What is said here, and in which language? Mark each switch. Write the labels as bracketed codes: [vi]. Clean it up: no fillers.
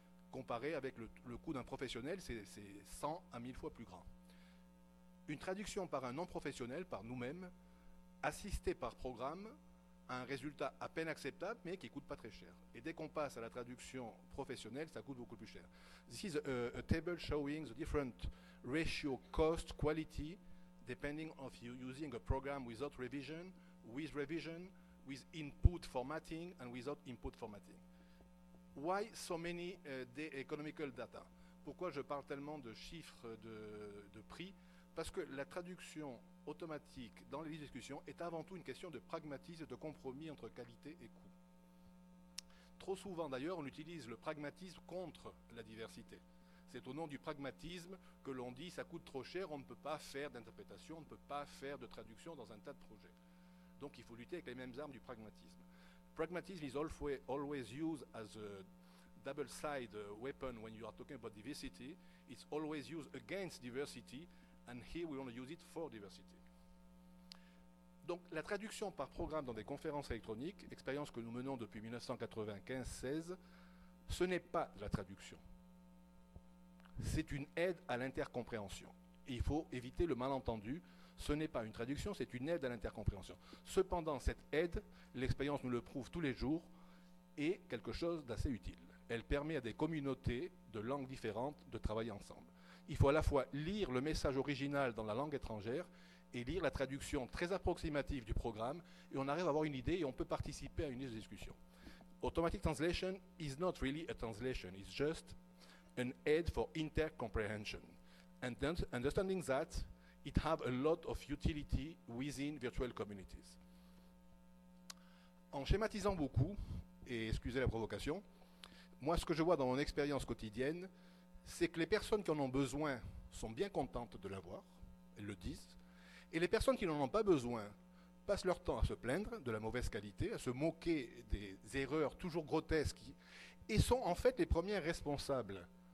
[fr] Comparé avec le coût d'un professionnel, c'est 100 à 1000 fois plus grand. Une traduction par un non-professionnel, par nous-mêmes, assistée par programme, a un résultat à peine acceptable, mais qui ne coûte pas très cher. Et dès qu'on passe à la traduction professionnelle, ça coûte beaucoup plus cher. [en] This is a table showing the different ratio cost quality depending on you using a program without revision, with revision, with input formatting, and without input formatting. Why so many economical data? [fr] Pourquoi je parle tellement de chiffres de prix? Parce que la traduction automatique dans les discussions est avant tout une question de pragmatisme et de compromis entre qualité et coût. Trop souvent d'ailleurs, on utilise le pragmatisme contre la diversité. C'est au nom du pragmatisme que l'on dit ça coûte trop cher, on ne peut pas faire d'interprétation, on ne peut pas faire de traduction dans un tas de projets. Donc il faut lutter avec les mêmes armes du pragmatisme. [en] Pragmatism is always used as a double-sided weapon when you are talking about diversity. It's always used against diversity, and here we want to use it for diversity. [fr] Donc, la traduction par programme dans des conférences électroniques, expérience que nous menons depuis 1995-16, ce n'est pas la traduction. C'est une aide à l'intercompréhension. Et il faut éviter le malentendu. Ce n'est pas une traduction, c'est une aide à l'intercompréhension. Cependant, cette aide, l'expérience nous le prouve tous les jours, est quelque chose d'assez utile. Elle permet à des communautés de langues différentes de travailler ensemble. Il faut à la fois lire le message original dans la langue étrangère et lire la traduction très approximative du programme, et on arrive à avoir une idée et on peut participer à une discussion. [en] Automatic translation is not really a translation, it's just an aid for intercomprehension. And understanding that, it has a lot of utility within virtual communities. [fr] En schématisant beaucoup, et excusez la provocation, moi ce que je vois dans mon expérience quotidienne, c'est que les personnes qui en ont besoin sont bien contentes de l'avoir, elles le disent, et les personnes qui n'en ont pas besoin passent leur temps à se plaindre de la mauvaise qualité, à se moquer des erreurs toujours grotesques, et sont en fait les premières responsables.